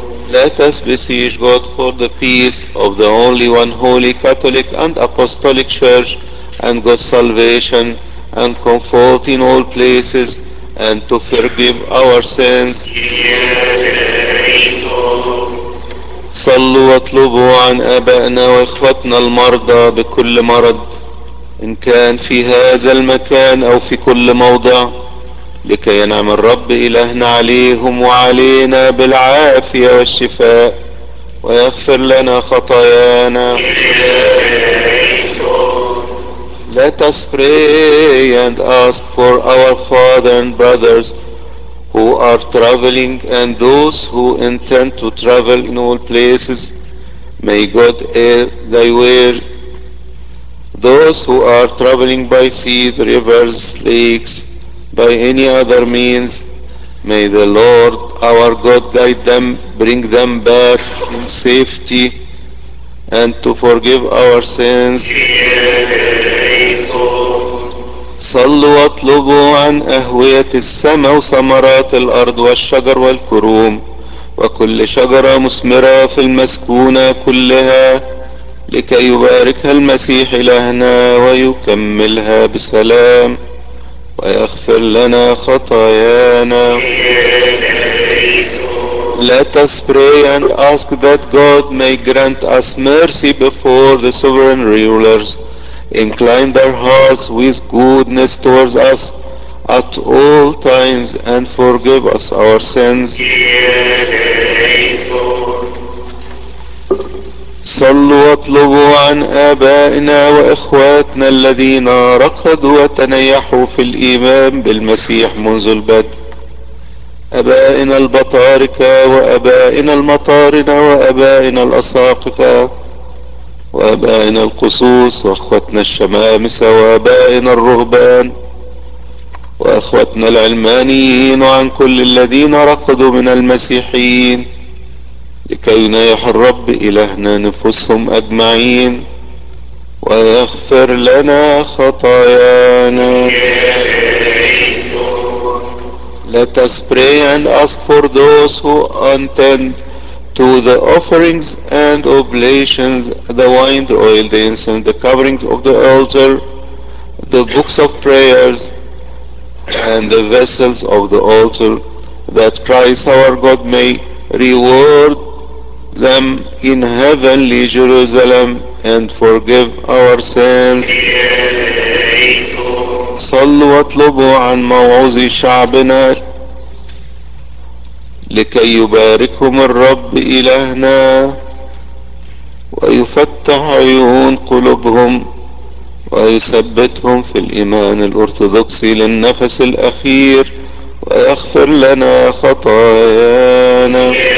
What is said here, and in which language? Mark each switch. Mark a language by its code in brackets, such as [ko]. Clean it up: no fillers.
[en] Let us beseech God for the peace of the only one holy Catholic and Apostolic Church and God's salvation and comfort in all places and to forgive our sins. [ar] صلوا واطلبوا عن آبائنا وإخوتنا المرضى بكل مرض إن كان في هذا المكان أو في كل موضع لكي ينعم الرب إلهنا عليهم وعلينا بالعافية والشفاء ويغفر لنا خطايانا. [en] Let us pray and ask for our father and brothers who are traveling and those who intend to travel in all places. May God aid thy way. Those who are traveling by seas, rivers, lakes, by any other means, may the Lord our God guide them, bring them back in safety, and to forgive our sins. [ar] صلوا واطلبوا عن أهوية السماء وثمرات الأرض والشجر والكروم وكل شجرة مثمرة في المسكونة كلها لكي يباركها المسيح إلهنا ويكملها بسلام ويغفر لنا خطايانا. [en] Let us pray and ask that God may grant us mercy before the sovereign rulers. Incline their hearts with goodness towards us at all times and forgive us our sins. [ar] صلوا واطلبوا عن آبائنا وإخواتنا الذين رقدوا وتنيحوا في الإيمان بالمسيح منذ البدء. أبائنا البطاركة وأبائنا المطارنة وأبائنا الأساقفة وأبائنا القصوص وأخوتنا الشمامسة وأبائنا الرهبان وأخوتنا العلمانيين وعن كل الذين رقدوا من المسيحيين لكي نيح الرب إلهنا نفوسهم أجمعين ويغفر لنا خطايانا. [en] Let us pray and ask for those who attend to the offerings and oblations, the wine, the oil, the incense, the coverings of the altar, the books of prayers, and the vessels of the altar, that Christ our God may reward them in heavenly Jerusalem and forgive our sins. [ar] صلوا واطلبوا عن موعوظ شعبنا لكي يباركهم الرب إلهنا ويفتح عيون قلوبهم ويثبتهم في الإيمان الأرثوذكسي للنفس الأخير ويغفر لنا خطايانا.